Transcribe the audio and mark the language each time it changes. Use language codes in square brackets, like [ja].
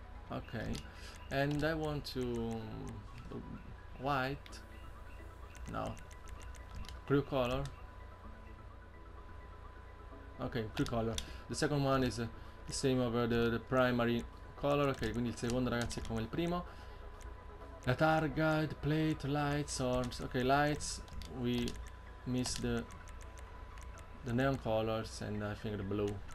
[en] Ok. And I want to. White. No. Crew color. Ok, crew color. The second one is the same over the primary color. [it] Ok, quindi il secondo, ragazzi, è come il primo. La targa, [en] the plate, lights, orange. Ok, lights. We miss the neon colors and I think the blue.